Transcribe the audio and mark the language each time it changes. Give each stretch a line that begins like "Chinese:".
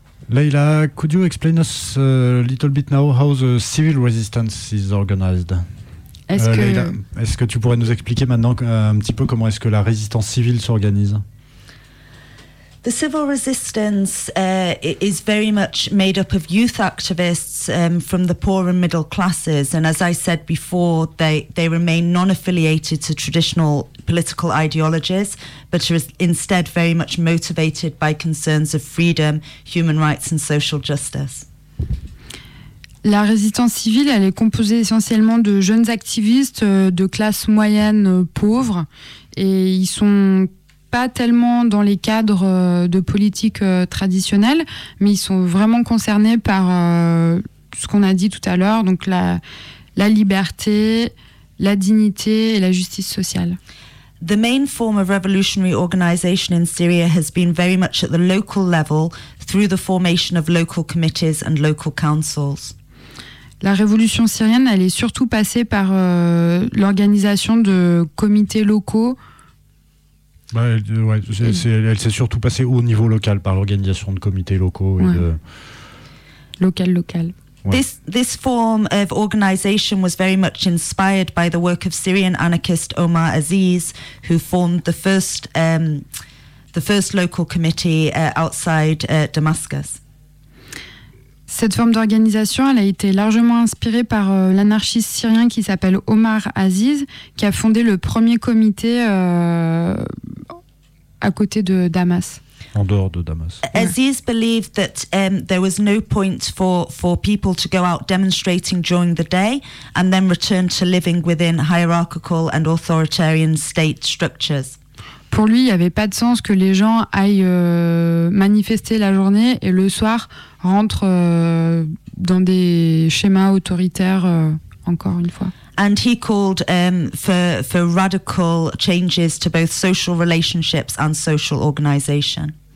English: Leila, could you explain us a little bit now how the civil resistance is organized?
French: Leila, est-ce que tu pourrais nous expliquer maintenant un petit peu comment est-ce que la résistance civile s'organise?
English: The civil resistance is very much made up of youth activists from the poor and middle classes, and as I said before, they remain non-affiliated to traditional political ideologies, but are instead very much motivated by concerns of freedom, human rights and social justice.
French: La résistance civile, elle est composée essentiellement de jeunes activistes de classe moyenne pauvre, et ils sont pas tellement dans les cadres de politique traditionnelle, mais ils sont vraiment concernés par ce qu'on a dit tout à l'heure, donc la liberté, la dignité et la justice sociale.
English: The main form of revolutionary organization in Syria has been very much at the local level through the formation of local committees and local councils.
French: La révolution syrienne, elle est surtout passée par l'organisation de comités locaux. Elle s'est surtout passée au niveau local par l'organisation de comités locaux et local.
English: This form of organization was very much inspired by the work of Syrian anarchist Omar Aziz, who formed the first local committee outside Damascus.
French: Cette forme d'organisation, elle a été largement inspirée par l'anarchiste syrien qui s'appelle Omar Aziz, qui a fondé le premier comité à côté de Damas. En dehors de Damas.
English: Aziz believed that there was no point for people to go out demonstrating during the day and then return to living within hierarchical and authoritarian state structures.
French: Pour lui, il n'y avait pas de sens que les gens aillent manifester la journée et le soir rentrent dans des schémas autoritaires encore une fois.
English: And he called for radical changes to both social relationships and social organization.